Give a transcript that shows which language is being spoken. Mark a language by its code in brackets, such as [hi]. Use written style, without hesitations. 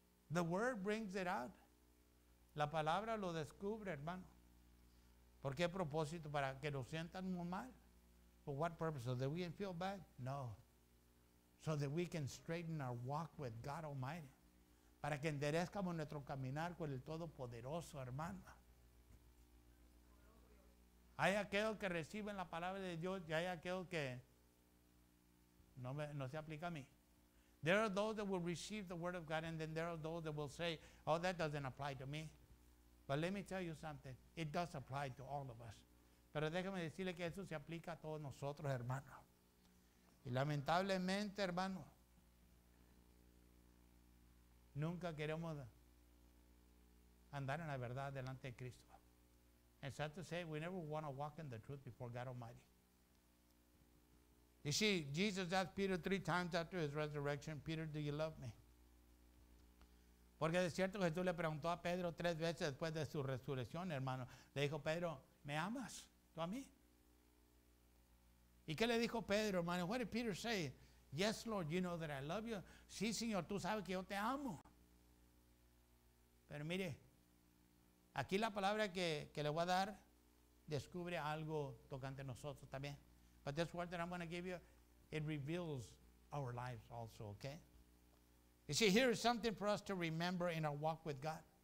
[en] The word brings it out. [es] La palabra lo descubre, hermano. ¿Por qué propósito? Para que nos sientan muy mal. [en] For what purpose? So that we can feel bad? No. So that we can straighten our walk with God Almighty. [es] Para que enderezcamos nuestro caminar con el Todopoderoso, hermano. Hay aquellos que reciben la palabra de Dios y hay aquellos que no se aplica a mí. [en] There are those that will receive the word of God and then there are those that will say, oh, that doesn't apply to me. But let me tell you something. It does apply to all of us. [es] Pero déjame decirle que eso se aplica a todos nosotros, hermano. Y lamentablemente, hermano, nunca queremos andar en la verdad delante de Cristo. [en] And sad to say, we never want to walk in the truth before God Almighty. You see, Jesus asked Peter three times after his resurrection, Peter, do you love me? [es] Porque de cierto Jesús le preguntó a Pedro tres veces después de su resurrección, hermano. Le dijo, Pedro, ¿me amas tú a mí? ¿Y qué le dijo Pedro, hermano? [en] What did Peter say? Yes, Lord, you know that I love you. [es] Sí, Señor, tú sabes que yo te amo. Pero mire, aquí la palabra que le voy a dar descubre algo tocante nosotros también. [en] But this word that I'm going to give you, it reveals our lives also, okay? You see, here is something for us to remember in our walk with God.